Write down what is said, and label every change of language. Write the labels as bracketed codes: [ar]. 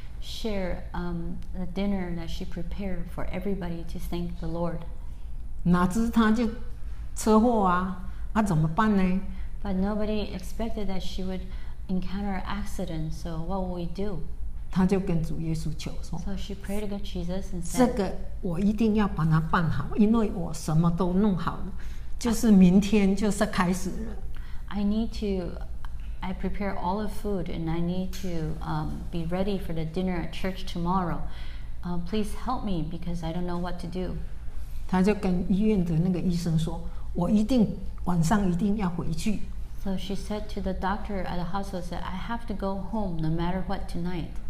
[en] Share the dinner that she prepared for everybody to thank the Lord. [zh] 哪知他就车祸啊，啊怎么办呢？ [en] But nobody expected that she would encounter an accident. So what will we do? [zh] 他就跟主耶稣求说。 [en] So she prayed to Jesus and said, [zh] 这个我一定要把它办好，因为我什么都弄好了，就是明天就是开始了。 [en] I prepare all the food and I need to be ready for the dinner at church tomorrow. Please help me because I don't know what to do. [zh] 他就跟医院的那个医生说，我一定晚上一定要回去。 [en] So she said to the doctor at the hospital, said, I have to go home no matter what tonight.